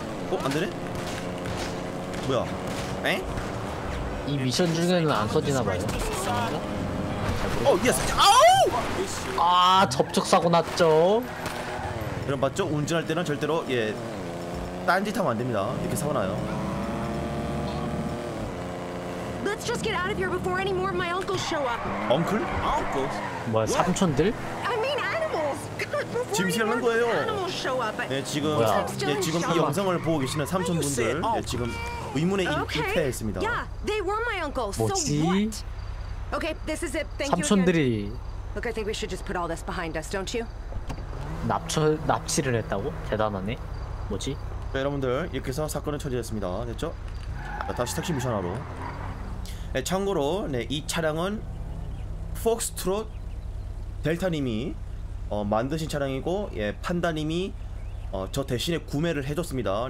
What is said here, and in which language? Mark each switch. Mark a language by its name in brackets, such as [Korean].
[Korean] 어? 안 되네? 뭐야? 엥? 이 미션 중에는 안 써지나봐요. 어, 예스! 아우! 아, 접촉사고 났죠? 그럼 맞죠? 운전할 때는 절대로, 예, 딴짓 하면 안 됩니다. 이렇게 사고 나요. [English] Let's just get out of here before any more of my uncles show up. Uncle? Uncles? [Korean] 뭐야, 삼촌들? [English] I mean [Korean] animals. 짐승하는 거예요. 네, 지금 네, 지금 이 영상을 보고 계시는 삼촌분들, 네, 지금 의문의 일패했습니다. [English] Okay. Yeah, [Korean] 뭐지? [English] Okay, this is it. Thank [Korean] 삼촌들이 [English] you Look, I think we should just put all this behind us, don't you? [Korean] 납치를 했다고? 대단하네. 뭐지? 네, 여러분들 이렇게 해서 사건을 처리했습니다. 됐죠? 다시 택시 미션 하러. 네, 참고로 네, 이 차량은 폭스트롯 델타님이 만드신 차량이고 예, 판다님이 저 대신에 구매를 해줬습니다.